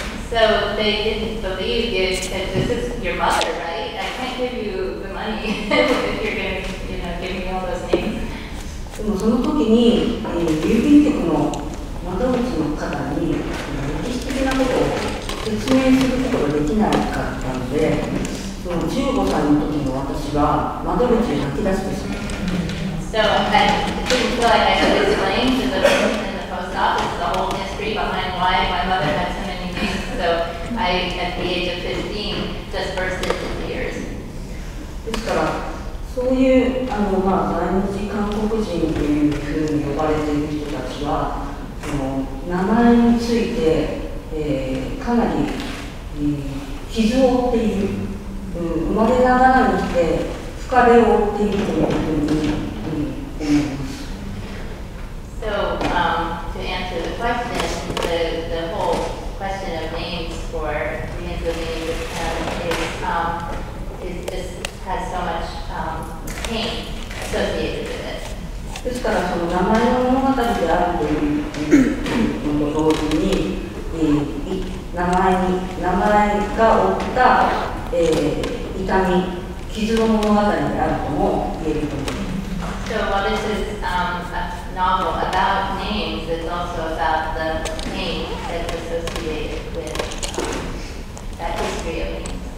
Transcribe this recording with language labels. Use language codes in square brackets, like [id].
[en] So they didn't believe you because this is your mother, right? I can't give you the money if you're going to, you know, give me all those names. [ja] でもその時に、郵便局の窓口の方に、歴史的なことを説明することができなかったので、その15歳の時の私は窓口を吐き出してしま [en] So I think like I could explain to the person in the post office the whole history behind why my mother had so many names. So I, at the age of 15, just burst into tears. [ja] ですから、そういう在日韓国人というふうに呼ばれている人たちは、名前について、かなり、傷を負っている、生まれながらにして疲れを負っているというふうに、思います。 [en] So, to answer the question, the whole question of names for Koreans living in Japan is just has so much pain associated with it. [ja] ですから、その名前の物語であるというのと同時に、名前が負った、痛み、傷の物語であるとも言えると思います。 [en] So, while this is a novel about names, it's also about the pain that's associated with that history of names.